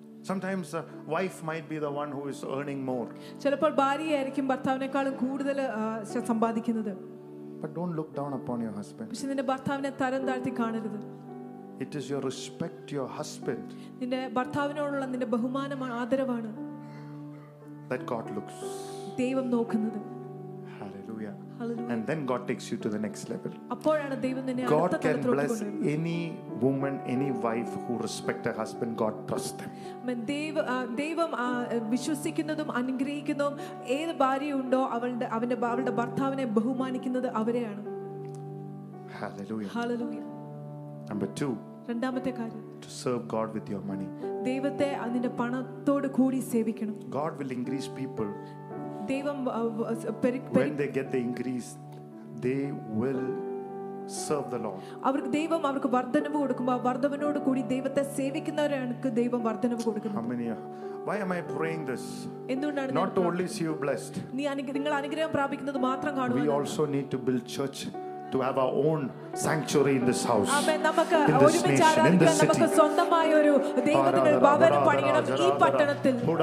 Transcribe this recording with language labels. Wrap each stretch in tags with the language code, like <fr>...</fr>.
<en>Sometimes a wife might be the one who is earning more.</en> <ml>ചിലപ്പോൾ ഭാര്യയായിരിക്കും ഭർത്താവിനേക്കാളും കൂടുതൽ സമ്പാദിക്കുന്നത്.</ml> <en>But don't look down upon your husband.</en> <ml>പക്ഷേ നിന്റെ ഭർത്താവിനെ തരം താഴ്ത്തി കാണരുത്.</ml> <en>It is your respect to your husband.</en> <ml>നിന്റെ ഭർത്താവിനോടുള്ള നിന്റെ ബഹുമാനമാണ് ആദരവാണ്.</ml> <en>That God looks.</en> <ml>ദൈവം നോക്കുന്നത്.</ml> <en>Hallelujah. Hallelujah. And then God takes you to the next level.</en> <ml>അപ്പോഴാണ് ദൈവം നിന്നെ അടുത്ത തലത്തിലേക്ക് കൊണ്ടുപോകുന്നത്.</ml> <en>God can bless any woman, any wife who respect her husband. God trusts them.</en> <ml>മെന്ത ദൈവം വിശ്വസിക്കുന്നതും അനുഗ്രഹിക്കുന്നതും ഏത് ഭാര്യയുണ്ടോ അവളുടെ ഭർത്താവിനെ ബഹുമാനിക്കുന്നത് അവരെയാണ്.</ml> <en>Hallelujah. Hallelujah. Number 2.</en> <ml>രണ്ടാമത്തെ കാര്യം.</ml> <en>To serve God with your money.</en> <ml>ദൈവത്തെ അവന്റെ പണത്തോടു കൂടി സേവിക്കണം.</ml> <en>God will increase people.</en> <ml>ദൈവം</ml> <en>when they get the increase they will serve the Lord.</en> <ml>അവർക്ക് ദൈവം അവർക്ക് വർദ്ധനവ് കൊടുക്കുമ്പോൾ വർദ്ധനവനോട് കൂടി ദൈവത്തെ സേവിക്കുന്നവരാണ്ക്ക് ദൈവം വർദ്ധനവ് കൊടുക്കുന്നത്.</ml> <en>Why am I praying this?</en> <ml>എന്തുകൊണ്ടാണ്</ml> <en>not to only see you blessed.</en> <ml>നിങ്ങൾ അനുഗ്രഹം പ്രാപിക്കുന്നത് മാത്രം കാണുക.</ml> <en>We also need to build church. To have our own sanctuary in this house. Amen.</en> <ml>നമുക്ക് ഒരുമിച്ച് ആരാധിക്കാൻ നമുക്ക് സ്വന്തമായി ഒരു ദൈവത്തിന്റെ ഭവനം പണിയണം ഈ പട്ടണത്തിൽ.</ml>